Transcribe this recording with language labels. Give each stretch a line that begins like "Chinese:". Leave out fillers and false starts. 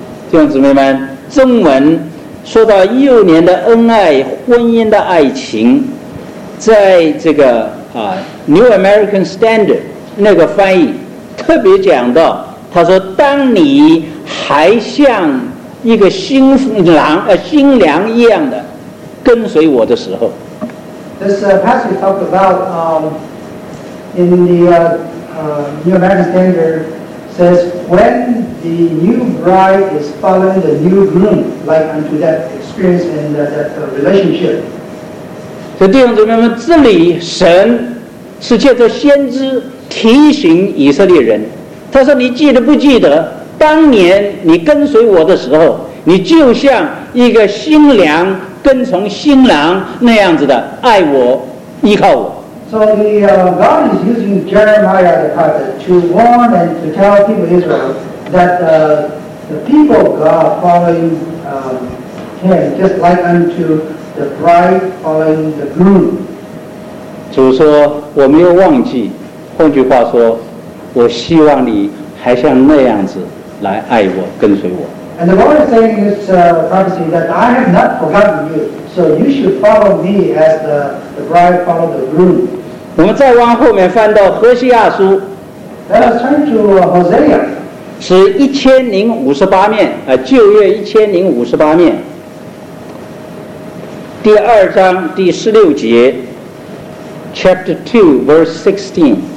Chinese: 弟兄姊妹们，中文说到幼年的恩爱、婚姻的爱情，在这个New American Standard 那个翻译特别讲到，他说：“当你还像一个新郎新娘一样的跟随我的时候。
English: This passage talked about in the New American Standard says when the new bride is following the new groom, like unto that experience and that relationship.
Chinese: 所以弟兄姊妹们，这里神是借着先知提醒以色列人，他说：“你记得不记得，当年你跟随我的时候，你就像一个新娘跟从新郎那样子的爱我、依靠我。”
English: So the God is using Jeremiah the prophet to warn and to tell people of Israel that the people of God following him just like unto the bride following the groom.
Chinese: 主说：“我没有忘记。” 换句话说，我希望你还像那样子来爱我、跟随我。
English: And the Lord is saying in this prophecy that I have not forgotten you, so you should follow me as the bride follows the groom.
Chinese: 我们再往后面翻到何西阿书。
English: Let us turn to Hosea.
Chinese: 是1058面，旧约1058面，第二章第十六节 ，
English: Chapter 2, verse 16。